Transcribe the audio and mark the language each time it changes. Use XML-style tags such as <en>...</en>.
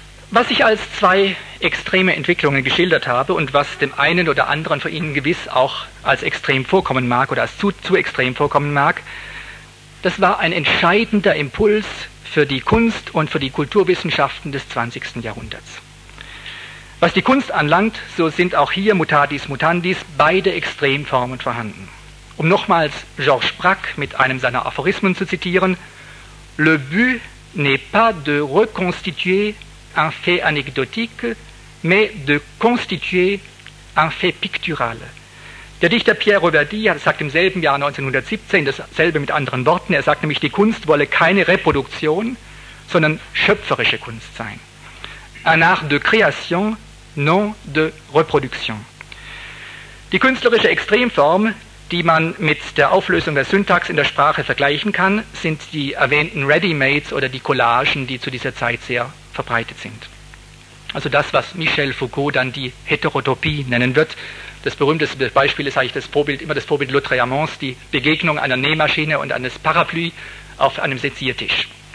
<de>Was ich als zwei extreme Entwicklungen geschildert habe und was dem einen oder anderen von Ihnen gewiss auch als extrem vorkommen mag oder als zu extrem vorkommen mag, das war ein entscheidender Impuls für die Kunst und für die Kulturwissenschaften des 20. Jahrhunderts. Was die Kunst anlangt, so sind auch hier mutatis mutandis beide Extremformen vorhanden. Um nochmals Georges Braque mit einem seiner Aphorismen zu zitieren:</de> <fr>Le but n'est pas de reconstituer un fait anecdotique, mais de constituer un fait pictural.</fr> <de>Der Dichter Pierre Reverdy sagt im selben Jahr 1917 dasselbe mit anderen Worten. Er sagt nämlich, die Kunst wolle keine Reproduktion, sondern schöpferische Kunst sein.</de> <fr>Un art de création, non de reproduction.</fr> <de>Die künstlerische Extremform, die man mit der Auflösung der Syntax in der Sprache vergleichen kann, sind die erwähnten Ready-Mades oder die Collagen, die zu dieser Zeit sehr verbreitet sind. Also das, was Michel Foucault dann die Heterotopie nennen wird. Das berühmteste Beispiel ist eigentlich das Vorbild L'Outremont, die Begegnung einer Nähmaschine und eines Parapluie auf einem Seziertisch.</de>